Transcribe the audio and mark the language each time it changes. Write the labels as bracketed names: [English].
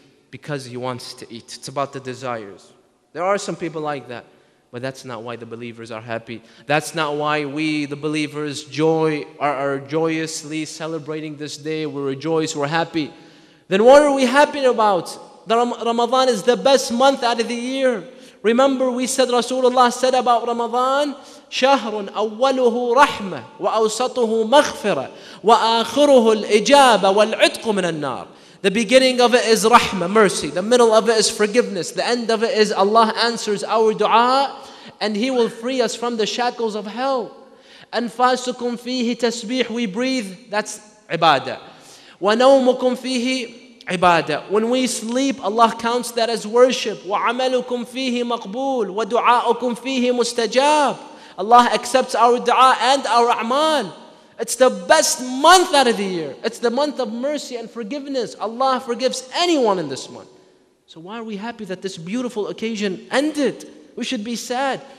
[English] Because he wants to eat. It's about the desires. There are some people like that. But that's not why the believers are happy. That's not why we, the believers, are joyously celebrating this day. We rejoice, we're happy. Then what are we happy about? Ramadan is the best month out of the year. Remember, we said, Rasulullah said about Ramadan, [Arabic] شَهْرٌ أَوَّلُهُ رَحْمَةً وَأَوْسَطُهُ مَغْفِرَةً وَآخِرُهُ الْإِجَابَةُ وَالْعِتْقُ مِنَ النَّارِ. [English] The beginning of it is rahmah, mercy. The middle of it is forgiveness. The end of it is Allah answers our dua and He will free us from the shackles of hell. [Arabic] أَنْفَاسُكُمْ فِيهِ تَسْبِيحُ. [English] We breathe, that's ibadah. [Arabic] وَنَوْمُكُمْ فِيهِ ibadah. [English] When we sleep, Allah counts that as worship. [Arabic] وَعَمَلُكُمْ فِيهِ مَقْبُولُ وَدُعَاءُكُمْ فِيهِ مُسْتَجَابُ. [English] Allah accepts our dua and our a'mal. It's the best month out of the year. It's the month of mercy and forgiveness. Allah forgives anyone in this month. So why are we happy that this beautiful occasion ended? We should be sad.